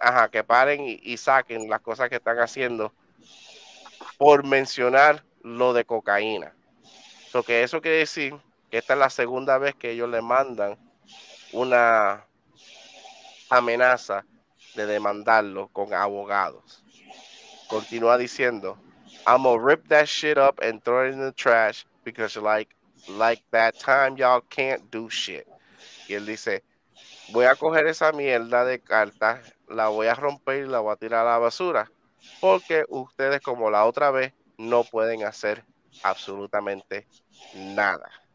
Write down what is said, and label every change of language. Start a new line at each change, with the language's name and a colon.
Spanish: Que paren y saquen las cosas que están haciendo por mencionar lo de cocaína. So que eso quiere decir que esta es la segunda vez que ellos le mandan una amenaza de demandarlo con abogados. Continúa diciendo,
English: I'm gonna rip that shit up and throw it in the trash because like that time y'all can't do shit.
Spanish: Y él dice, voy a coger esa mierda de carta, la voy a romper y la voy a tirar a la basura, porque ustedes, como la otra vez, no pueden hacer absolutamente nada.